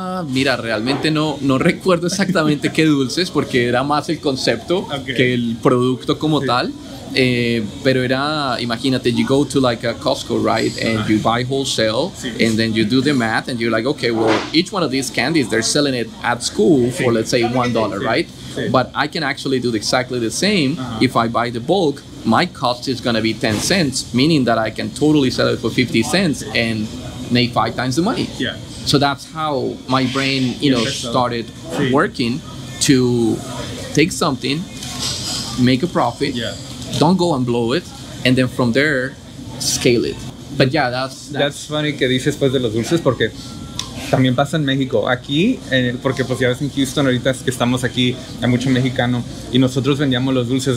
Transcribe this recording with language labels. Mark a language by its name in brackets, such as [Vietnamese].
[Spanish] Mira, realmente no recuerdo exactamente qué dulces, porque era más el concepto que el producto como tal. Pero era, imagínate, [English] you go to like a Costco, right? And you buy wholesale, and then you do the math, and you're like, okay, well, each one of these candies, they're selling it at school for, let's say, $1, right? But I can actually do exactly the same. If I buy the bulk, my cost is going to be 10 cents, meaning that I can totally sell it for 50 cents and make five times the money. Yeah. So that's how my brain, you know, started working to take something, make a profit, don't go and blow it, and then from there, scale it. But yeah, that's [Spanish] funny que dices pues de los dulces, porque también pasa en México. Aquí, porque pues ya ves en Houston, ahorita es que estamos aquí, hay mucho mexicano, y nosotros vendíamos los dulces.